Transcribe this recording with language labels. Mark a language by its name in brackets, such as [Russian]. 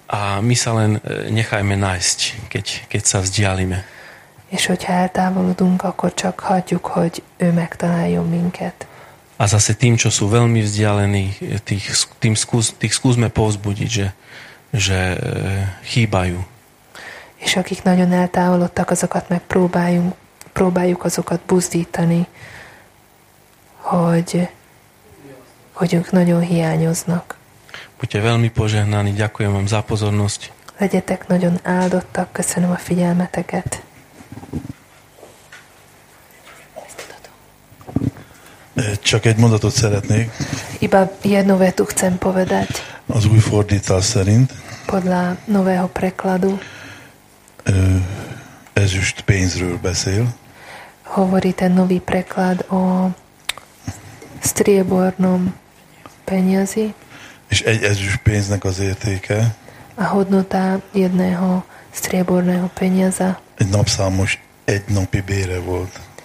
[Slovak] A my sa len nechajme nájsť, keď sa vzdialime. [Hungarian] És hogyha eltávolodunk, akkor csak hagyjuk, hogy ő megtaláljon minket. [Slovak] A zase tým, čo sú veľmi vzdialení, tých skúsme povzbudiť, že chýbajú. [Hungarian] És akik nagyon eltávolodtak, azokat megpróbáljuk azokat buzdítani, hogy ők nagyon hiányoznak. [Slovak] Buďte veľmi požehnaní, ďakujem vám za pozornosť. [Hungarian] Legyetek nagyon áldottak, köszönöm a figyelmeteket. Csak egy mondatot szeretnék. [Slovak] Iba jednu vetu chcem povedať. [Hungarian] Az új fordítás szerint. [Slovak] Podľa nového prekladu. [Hungarian] Ezüst pénzről beszél. [Slovak] Hovorí ten nový preklad o striebornom peniazi. [Hungarian] És egy ezüst pénznek az értéke. [Slovak] A hodnota jedného strieborného peniaza. [Hungarian] Egy napszámos egy napi bére volt.